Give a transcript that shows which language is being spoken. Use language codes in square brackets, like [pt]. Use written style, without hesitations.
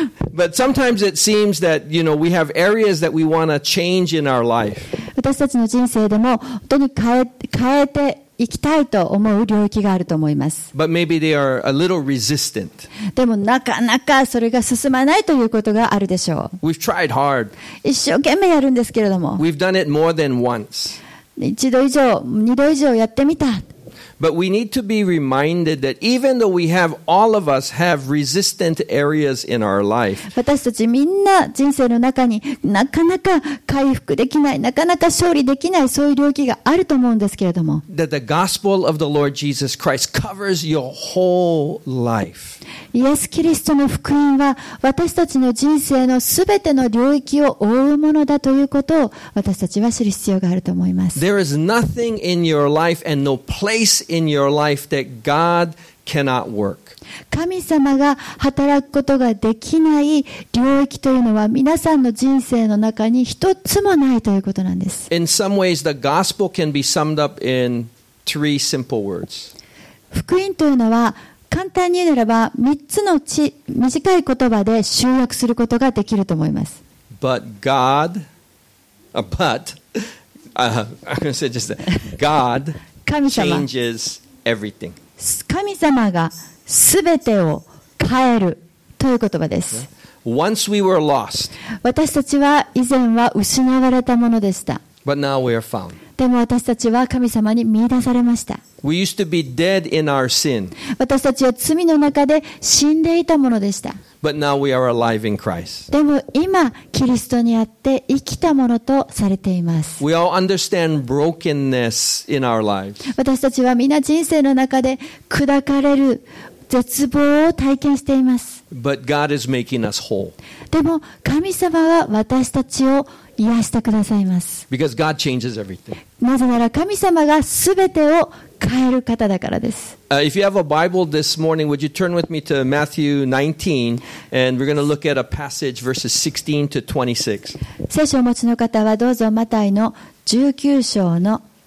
[en] but sometimes it seems that you know we have areas that we want to change in our life. [ja] 私たちの人生でも本当に変えていきたいと思う領域があると思います。 [en] But maybe they are a little resistant. [ja] でもなかなかそれが進まないということがあるでしょう。 [en] We've tried hard. [ja] 一生懸命やるんですけれども。 [en] We've done it more than once. [ja] 一度以上、二度以上やってみた。 [en] But we need to be reminded that even though we have all of us have resistant areas in our life, [ja] 私たちみんな人生の中になかなか回復できない、なかなか勝利できないそういう領域があると思うんですけれども、 [en] that the gospel of the Lord Jesus Christ covers your whole life. [ja] イエス・キリストの福音は私たちの人生のすべての領域を覆うものだということを私たちは知る必要があると思います。 [en] There is nothing in your life and no place in your life that God cannot work. [ja] 神様が働くことができない領域というのは皆さんの人生の中に一つもないということなんです。 [en] In some ways, the gospel can be summed up in three simple words. [ja] 福音というのは簡単に言うならば3つの短い言葉で集約することができると思います。 [en] God changes everything. [ja] 神様が全てを変えるという言葉です。 [en] Once we were lost. [ja] 私たちは以前は失われたものでした。 [en] But now we are found. [ja] でも私たちは神様に見出されました。 [en] We used to be dead in our sin. [ja] 私たちは罪の中で死んでいたものでした。 [en] But now we are alive in Christ. [ja] でも今、キリストにあって生きたものとされています。 [en] We all understand brokenness in our lives. [ja] 私たちはみんな人生の中で砕かれる絶望を体験しています。 [en] But God is making us whole. [ja] でも神様は私たちを癒してくださいます。 [en] Because God changes everything. [ja] なぜなら神様がすべてを変える方だからです。 [en] If you have a Bible this morning, would you turn with me to Matthew 19, and we're going to look at a passage verses 16 to 26. [ja] 聖書をお持ちの方はどうぞマタイの19章の